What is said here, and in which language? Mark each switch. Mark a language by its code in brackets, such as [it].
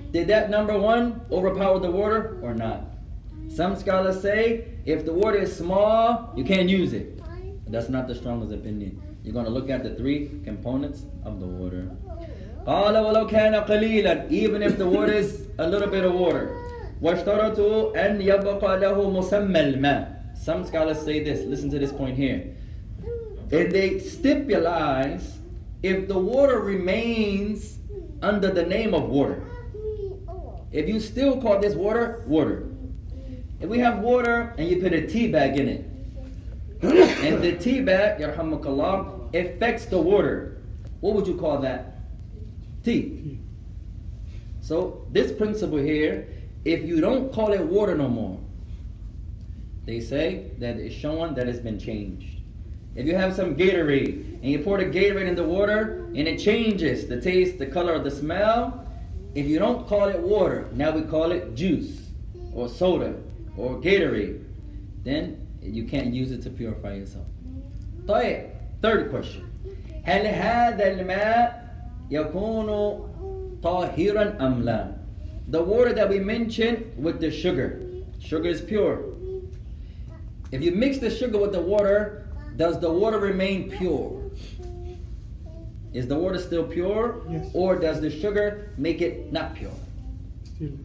[en] Did that number one overpower the water or not? Some scholars say, if the water is small, you can't use it. That's not the strongest opinion. You're going to look at the three components of the water. [ar] قَالَ وَلَوْ كَانَ قَلِيلًا [en] Even if the water is a little bit of water. [ar] وَاشْتَرَتُوا أَنْ يَبَقَ لَهُ مُسَمَّ الْمَاءِ [en] Some scholars say this. Listen to this point here. If they stipulize, if the water remains under the name of water, if you still call this water, water. If we have water and you put a tea bag in it, and the tea bag, yarhamukallah, affects the water, what would you call that? Tea. So this principle here, if you don't call it water no more, they say that it's showing that it's been changed. If you have some Gatorade and you pour the Gatorade in the water and it changes the taste, the color, the smell, if you don't call it water, now we call it juice or soda or Gatorade, then you can't use it to purify yourself. طيب, third question. [ar] هل هذا الماء يكون طاهرا أم لا? [en] The water that we mentioned with the sugar. Sugar is pure. If you mix the sugar with the water, does the water remain pure? Is the water still pure? Yes. Or does the sugar make it not pure?